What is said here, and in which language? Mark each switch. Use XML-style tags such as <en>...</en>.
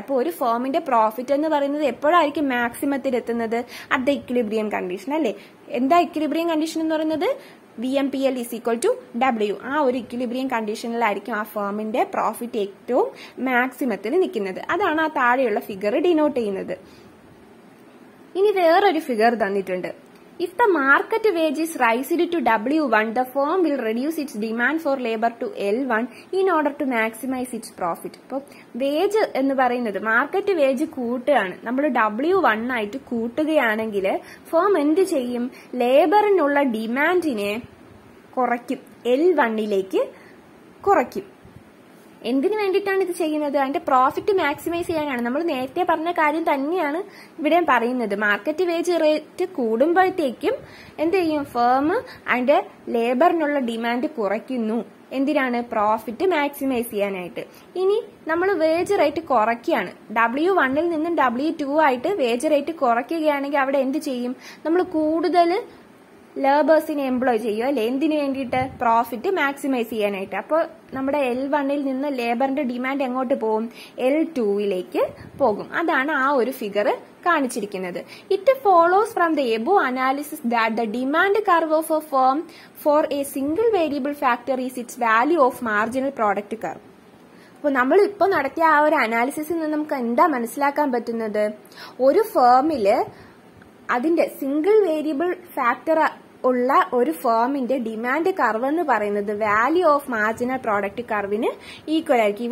<ml>അപ്പോൾ ഒരു ഫേമിന്റെ പ്രോഫിറ്റ് എന്ന് പറയുന്നത് എപ്പോഴായിരിക്കും മാക്സിമത്തിൽ എത്തുന്നത്, അറ്റ് ദ ഇക്വിലിബ്രിയം കണ്ടീഷൻ അല്ലേ. എന്താ ഇക്വിലിബ്രിയം കണ്ടീഷൻ എന്ന് പറയുന്നത്,</ml> <en>V M P L is equal to W,</en> <ml>ആ ഒരു ഇക്വിലിബ്രിയം കണ്ടീഷനിലായിരിക്കും ആ ഫേമിന്റെ പ്രോഫിറ്റ് ഏറ്റവും മാക്സിമത്തിൽ നിൽക്കുന്നത്. അതാണ് ആ താഴെയുള്ള ഫിഗർ ഡിനോട്ട് ചെയ്യുന്നത്. ഇനി വേറൊരു ഫിഗർ തന്നിട്ടുണ്ട്.</ml> <en>If the market wages rise to W1, the firm will reduce its demand for labor to L1 in order to maximize its profit.</en> <ml>അപ്പോൾ വേജ് എന്ന് പറയുന്നത് മാർക്കറ്റ് വേജ് കൂട്ടുകയാണ്, നമ്മൾ W1 ആയിട്ട് കൂട്ടുകയാണെങ്കിൽ ഫേം എന്ത് ചെയ്യും, ലേബറിനുള്ള ഡിമാൻഡിനെ കുറയ്ക്കും, L1ലേക്ക് കുറയ്ക്കും. എന്തിനു വേണ്ടിയിട്ടാണ് ഇത് ചെയ്യുന്നത്, അതിന്റെ പ്രോഫിറ്റ് മാക്സിമൈസ് ചെയ്യാനാണ്. നമ്മൾ നേരത്തെ പറഞ്ഞ കാര്യം തന്നെയാണ് ഇവിടെ പറയുന്നത്. മാർക്കറ്റ് വേജ് റേറ്റ് കൂടുമ്പോഴത്തേക്കും എന്ത് ചെയ്യും, ഫേം അതിന്റെ ലേബറിനുള്ള ഡിമാൻഡ് കുറയ്ക്കുന്നു. എന്തിനാണ്, പ്രോഫിറ്റ് മാക്സിമൈസ് ചെയ്യാനായിട്ട്. ഇനി നമ്മൾ വേജ് റേറ്റ് കുറയ്ക്കുകയാണ്, W1 നിന്നും W2 ആയിട്ട് വേജ് റേറ്റ് കുറയ്ക്കുകയാണെങ്കിൽ അവിടെ എന്ത് ചെയ്യും, നമ്മൾ കൂടുതൽ labors in employ cheyyo lengthine vendite profit maximize cheyanayita appo nammada l1 il ninna labor inde demand engotte povum l2 ilekku pogum adana aa oru figure kaanichirikkunnathu.</ml> <en>It follows from the above analysis that the demand curve of a firm for a single variable factor is its value of marginal product curve.</en> <ml>അപ്പോൾ നമ്മൾ ഇപ്പോൾ നടത്തിയ ആ ഒരു അനാലിസിസിൽ നിന്ന് നമുക്ക് എന്താ മനസ്സിലാക്കാൻ പറ്റുന്നത്? ഒരു ഫേമിൽ അതിന്റെ സിംഗിൾ വേരിയബിൾ ഫാക്ടർ ഉള്ള ഒരു ഫേമിന്റെ ഡിമാൻഡ് കർവ് എന്ന് പറയുന്നത് വാല്യൂ ഓഫ് മാർജിനൽ പ്രോഡക്റ്റ് കർവിന് ഈക്വൽ ആയിരിക്കും.</ml>